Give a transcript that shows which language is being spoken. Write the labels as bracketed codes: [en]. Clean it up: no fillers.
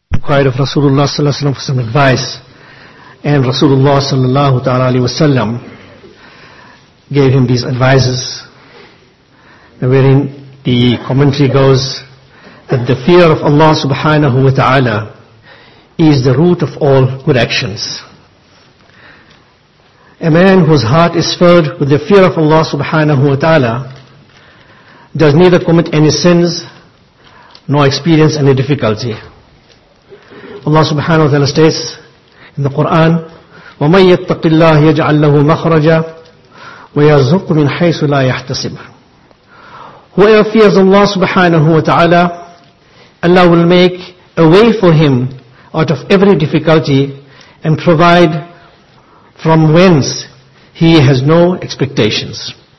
[en] required of Rasulullah sallallahu alaihi wasallam for some advice. And Rasulullah sallallahu ta'ala alaihi wasallam gave him these advices, wherein the commentary goes that the fear of Allah subhanahu wa ta'ala is the root of all good actions. A man whose heart is filled with the fear of Allah subhanahu wa ta'ala does neither commit any sins nor experience any difficulty. Allah subhanahu wa ta'ala states in the Quran, [ar] وَمَنْ يَتَّقِ اللَّهِ يَجْعَلْ لَهُ مَخْرَجًا وَيَرْزُقُ مِنْ حَيْثُ لَا يَحْتَسِبُ. [en] Whoever fears Allah subhanahu wa ta'ala, Allah will make a way for him out of every difficulty and provide from whence he has no expectations.